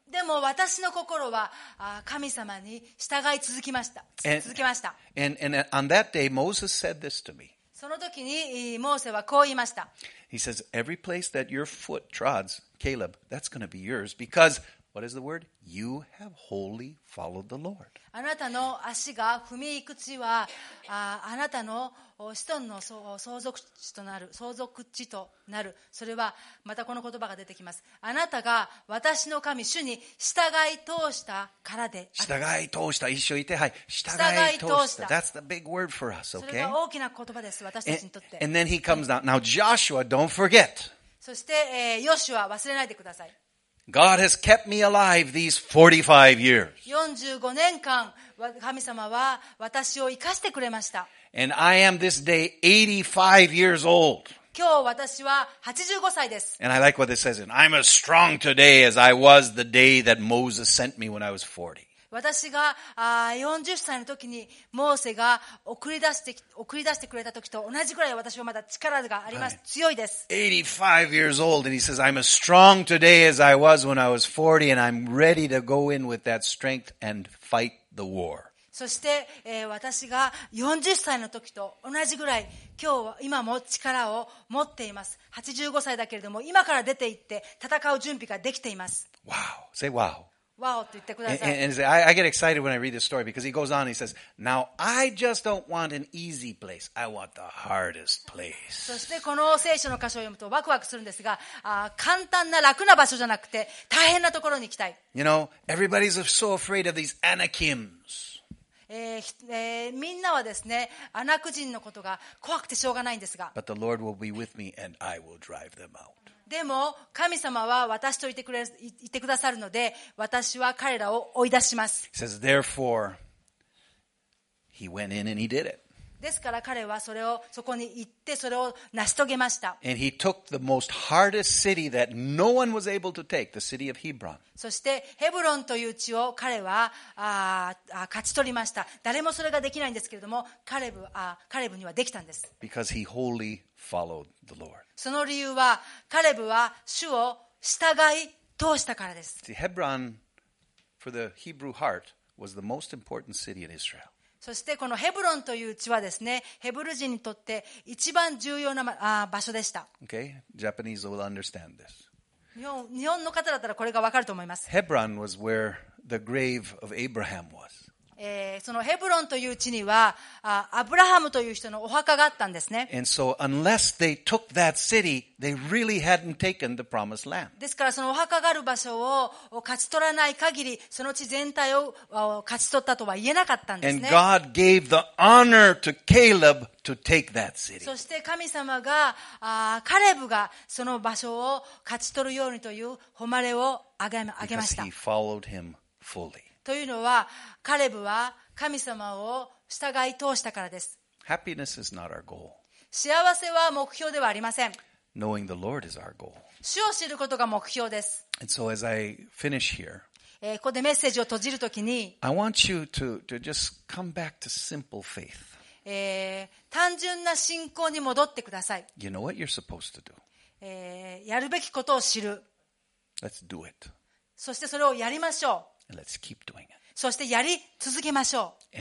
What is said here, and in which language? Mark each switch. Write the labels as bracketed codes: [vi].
[ja] でも私の心は神様に従い続きました。 [en] And on that day, Moses said this to me. [ja] その時にモーセはこう言いました。 [en] He says, every place that your foot trods, Caleb, that's going to be yours because what is the word? You have wholly followed the Lord. [ja] あなたの足が踏み行く地はあなたの子孫の相続地となる、相続地となる。それはまたこの言葉が出てきます。あなたが私の神主に従い通したからで。従い通した、一緒いて、はい。従い通した。 [en] That's the big word for us, okay? [ja] それが大きな言葉です、私たちにとって。 [en] And then he comes down. Now Joshua, don't forget. [ja] そして、ヨシュア、忘れないでください。 [en] God has kept me alive these 45 years. [ja] 45年間、神様は私を生かしてくれました。 [en] And I am this day 85 years old. [ja] 今日私は85歳です。 [en] And I like what this says. And I'm as strong today as I was the day that Moses sent me when I was 40. [ja] 私が40歳の時にモーセが送り出してくれた時と同じくらい私はまだ力があります。はい、強いです。 [en] 85 years old and he says, I'm as strong today as I was when I was 40 and I'm ready to go in with that strength and fight the war. [ja] そして、私が40歳の時と同じぐらい今日今も力を持っています。 85歳だけれども今から出て行って戦う準備ができています。 [en] Wow. Say wow. [ja] Wow と言ってください。 [en] And I get excited when I read this story because he goes on and he says, Now I just don't want an easy place. I want the hardest place. [ja] そしてこの聖書の箇所を読むとワクワクするんですが、簡単な楽な場所じゃなくて大変なところに行きたい。 [en] You know, everybody's so afraid of these Anakims. [ja] みんなはですね、アナク人のことが怖くてしょうがないんですが。 [en] But the Lord will be with me and I will drive them out. [ja] でも神様は私といてくださるので、私は彼らを追い出します。 [en] He says, therefore, he went in and he did it. [ja] ですから彼はそれをそこに行ってそれを成し遂げました。 [en] And he took the most hardest city that no one was able to take, the city of Hebron. [ja] そしてヘブロンという地を彼は勝ち取りました。誰もそれができないんですけれども、カレブにはできたんです。 [en] Because he wholly followed the Lord. [ja] その理由はカレブは主を従い通したからです。 [en] See, Hebron, for the Hebrew heart, was the most important city in Israel. [ja] そしてこのヘブロンという地はですね、ヘブル人にとって一番重要な場所でした。 [en] Okay, Japanese will understand this. [ja] 日本の方だったらこれがわかると思います。 [en] ヘブロン was where the grave of Abraham was. [ja] そのヘブロンという地には、アブラハムという人のお墓があったんですね。 [en] And so unless they took that city, they really hadn't taken the promised land. [ja] ですからそのお墓がある場所を勝ち取らない限り、その地全体を勝ち取ったとは言えなかったんですね。 [en] And God gave the honor to Caleb to take that city. [ja] そして神様が、カレブがその場所を勝ち取るようにという誉れをあげました。 [en] Because he followed him fully. [ja] というのはカレブは神様を従い通したからです。 [en] Happiness is not our goal. [ja] 幸せは目標ではありません。 [en] Knowing the Lord is our goal. [ja] 主を知ることが目標です。 [en] And so as I finish here, [ja] ここでメッセージを閉じるときに、 [en] I want you to just come back to simple faith. [ja] 単純な信仰に戻ってください。 [en] You know what you're supposed to do. [ja] やるべきことを知る。 [en] Let's do it. [ja] そしてそれをやりましょう。 [en] And let's keep doing it. [ja] そしてやり続けましょう。